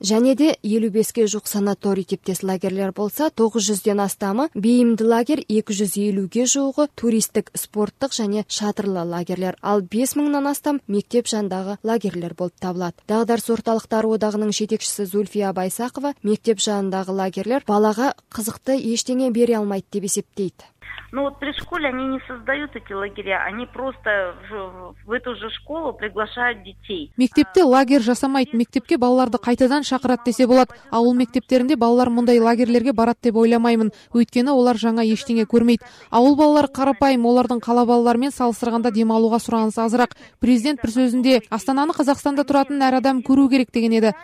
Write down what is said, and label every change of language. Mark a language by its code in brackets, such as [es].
[kk] Және де 55-ке жуық санаторий типтес лагерлер болса, 900-ден астамы бейімді лагер, 250-ге жуығы туристік, спорттық және шатырлы лагерлер. Ал 5 мыңнан астам мектеп жанында лагерлер болып табылады. Дағдарыс орталықтары одағының жетекшісі Зульфия Байсақова мектеп жанындағы лагерлер балаға қызықты ештеңе бере алмайды деп есептейді. [ru] Ну вот при школе они не создают эти лагеря, они просто в эту же школу приглашают детей. [kk] Мектепте лагерь жасамайды, мектепке балаларды қайтадан шақырат десе болады. Ауыл мектептерінде балалар мұндай лагерлерге барады деп ойламаймын. Өйткені олар жаңа ештеңе көрмейді. Ауыл балалары қарапайым, олардың қала балаларымен салыстырғанда демалуға сұранысы азырақ. Президент бір сөзінде Астананы Қазақстанда тұратын әр адам көру керек деген еді.